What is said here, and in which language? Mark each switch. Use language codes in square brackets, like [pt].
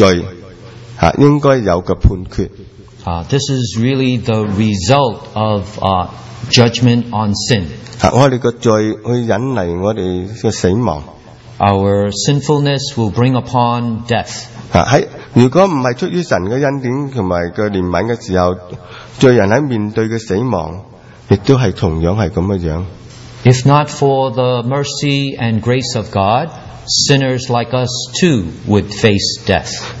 [zh] 这些其实是左右一切罪应该有的判决。 [en] This is really the result of judgment on sin. [zh] 我们的罪会引来我们的死亡。 [en] Our sinfulness will bring upon death. [zh] 如果不是出于神的恩典和怜悯的时候, 罪人在面对的死亡, 也都是同样是这样。 [en] If not for the mercy and grace of God, sinners like us too would face death.